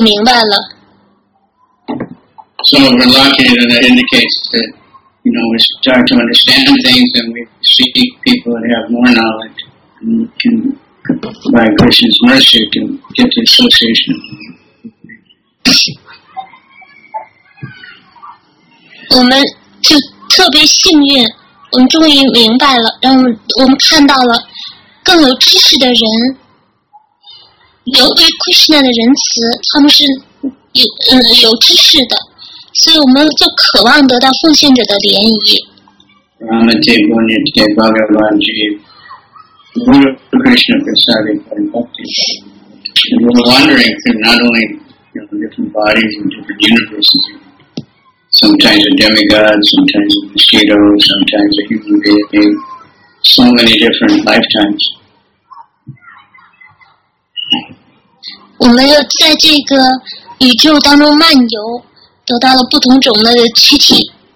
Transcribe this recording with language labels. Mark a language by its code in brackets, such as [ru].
[en] So we're lucky that it indicates that, we start to understand things and we see people that have more knowledge and can. By Krishna's mercy, you can get the association. [zh] 我们就特别幸运，我们终于明白了，让我们看到了更有知识的人，由于 Krishna 的仁慈，他们是有知识的，所以我们就渴望得到奉献者的涟漪。 Ramadeva Nitya Bhagavan Ji, Guru Krishna Prasad, and Bhakti. [en] And we're wandering through not only different bodies and different universes, sometimes a demigod, sometimes a mosquito, sometimes a human being, so many different lifetimes. [zh] 我们在这个宇宙当中漫游，得到了不同种类的躯体。